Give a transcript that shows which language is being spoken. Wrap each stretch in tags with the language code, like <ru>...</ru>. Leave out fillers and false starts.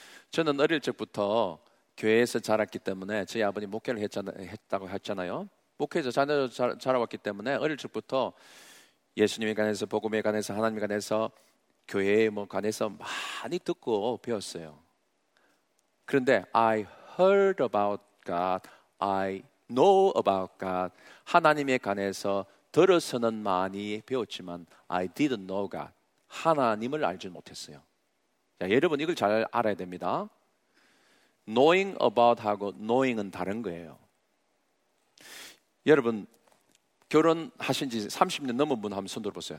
<ko>저는 어릴 적부터 교회에서 자랐기 때문에 저희 아버님 목회를 했다고 했잖아요. 목회에서 자라왔기 때문에 어릴 적부터 예수님에 관해서, 복음에 관해서, 하나님에 관해서, 교회에 뭐 관해서 많이 듣고 배웠어요.</ko> <en>그런데 I heard about God, I know about God.</en> <ko>하나님에 관해서 들어서는 많이 배웠지만</ko> <en>I didn't know God.</en> <ko>하나님을 알지 못했어요. 자, 여러분 이걸 잘 알아야 됩니다. Knowing about 하고 knowing은 다른 거예요. 여러분 결혼하신 지 30년 넘은 분 한번 손 들어보세요.</ko>